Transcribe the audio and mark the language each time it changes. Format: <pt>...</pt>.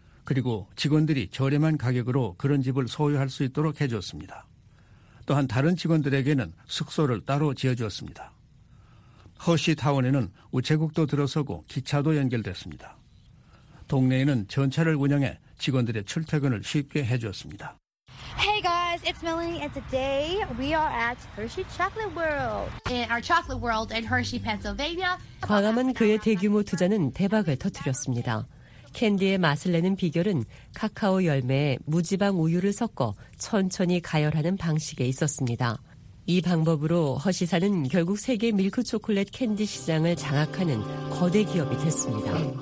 <ko>그리고 직원들이 저렴한 가격으로 그런 집을 소유할 수 있도록 해주었습니다. 또한 다른 직원들에게는 숙소를 따로 지어주었습니다. 허시 타운에는 우체국도 들어서고 기차도 연결됐습니다. 동네에는 전차를 운영해 직원들의 출퇴근을 쉽게 해주었습니다.</ko> <en>Hey guys, it's Melanie and today we are at Hershey Chocolate World. In our chocolate world in Hershey, Pennsylvania.</en> <ko>과감한 그의 대규모 투자는 대박을 터뜨렸습니다. 캔디의 맛을 내는 비결은 카카오 열매에 무지방 우유를 섞어 천천히 가열하는 방식에 있었습니다. 이 방법으로 허시사는 결국 세계 밀크 초콜릿 캔디 시장을 장악하는 거대 기업이 됐습니다.</ko>